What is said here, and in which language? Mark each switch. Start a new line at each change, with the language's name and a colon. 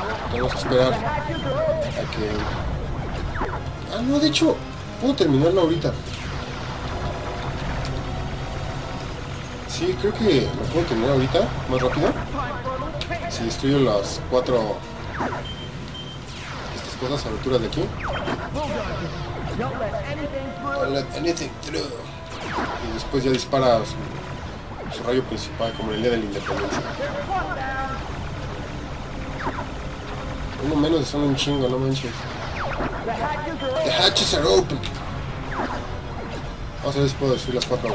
Spanish: Tenemos que esperar a que... Ah, no, de hecho, puedo terminarlo ahorita. Sí, creo que lo puedo terminar ahorita, más rápido. Si destruyo las cuatro... estas cosas a altura de aquí.
English: Don't let anything through.
Spanish: Y después ya dispara su rayo principal, como el día de la independencia. Uno menos, son un chingo, no manches.
English: The hatches are open.
Spanish: Vamos a ver si puedo destruir las cuatro.